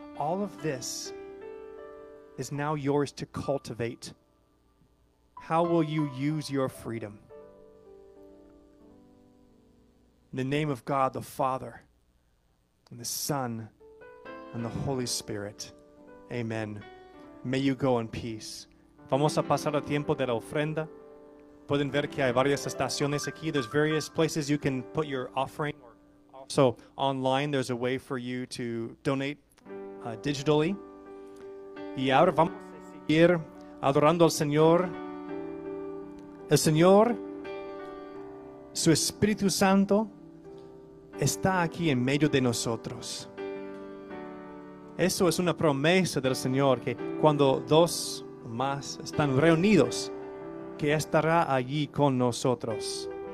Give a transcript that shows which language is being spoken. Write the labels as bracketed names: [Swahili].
[English] All of this is now yours to cultivate. How will you use your freedom? In the name of God, the Father, and the Son, and the Holy Spirit. Amen. May you go in peace. [Spanish] Vamos a pasar el tiempo de la ofrenda. Pueden ver que hay varias estaciones aquí. [English] There's various places you can put your offering. So online, there's a way for you to donate digitally. [Spanish] Y ahora vamos a seguir adorando al Señor. El Señor, su Espíritu Santo, está aquí en medio de nosotros. Eso es una promesa del Señor, que cuando dos más están reunidos, que estará allí con nosotros.